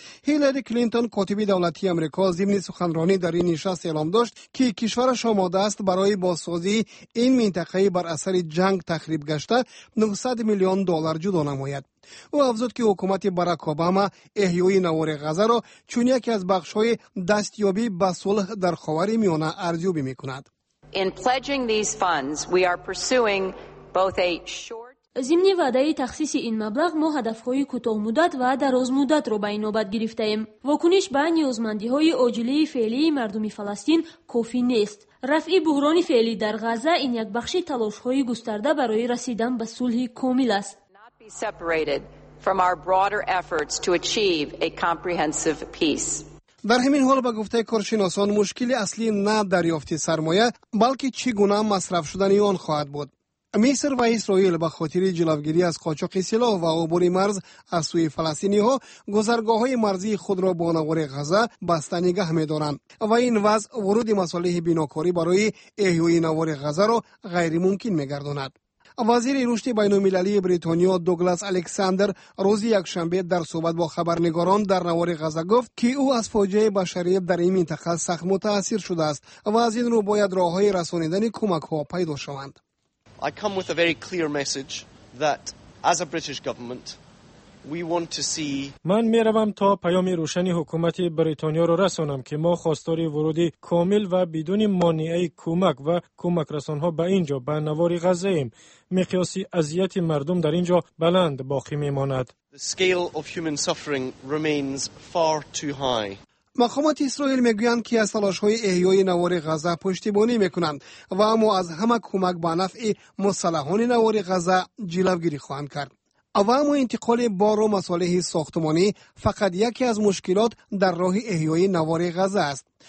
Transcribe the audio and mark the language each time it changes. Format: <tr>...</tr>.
<fa>هیلری کلینتون کاتب دولتی آمریکا ضمن سخنرانی در این نشست اعلام داشت که کشورش آماده است برای بازسازی این منطقه بر اثر جنگ تخریب گشته 900 میلیون دلار جدا نماید. او افزود که حکومت باراک اوباما احیای نوار غزه را چون یکی از بخش های دستیابی به صلح در خاور میانه ارزیابی میکند.</fa> <en>In pledging these funds, we are pursuing both a short.</en> <fa>ضمن وعده تخصیص این مبلغ ما هدفهای کوتاه مدت و دراز مدت را به نوبت گرفتیم. واکنش به نیازمندی های عاجله فعلی مردم فلسطین کافی نیست. رفع بحران فعلی در غزه این یک بخش تلاش های گسترده برای رسیدن به صلح کامل است.</fa> <en>Not be separated from our broader efforts to achieve a comprehensive peace.</en> <fa>در همین حال به گفته کارشناسان مشکل اصلی نه دریافت سرمایه بلکه چگونه مصرف شدن آن خواهد بود. مصر و اسرائیل به خاطر جلوگیری از قاچاق سلاح و عبور مرز از سوی فلسطینی ها گذرگاه های مرزی خود را با نوار غزه بسته نگه می دارند و این وضع ورود مصالح بناکاری برای احیای نوار غزه را غیر ممکن می گرداند. وزیر رشد بین المللی بریتانیا دوگلاس الکساندر روز یک شنبه در صحبت با خبرنگاران در نوار غزه گفت که او از فاجعه بشری در این منطقه سخت متاثر شده است و از این رو باید راه های رسانیدن کمک ها پیدا شوند.</fa> <en>I come with a very clear message that as a British government we want to see.</en> <fa>من می روم تا پیام روشن حکومت بریتانیا رو رسانم که ما خواستار ورود کامل و بدون مانعی کمک و کمک رسان ها به اینجا به نوار غزه ایم. مقیاس اذیت مردم در اینجا بلند باقی می ماند.</fa> <en>The scale of human suffering remains far too high.</en> <fa>مقامات اسرائیل میگویند که از تلاش های احیای نوار غزه پشتیبانی میکنند و اما از همه کمک به نفع مسلحان نوار غزه جلوگیری خواهند کرد. و اما انتقال بار و مصالح ساختمانی فقط یکی از مشکلات در راه احیای نوار غزه است.</fa>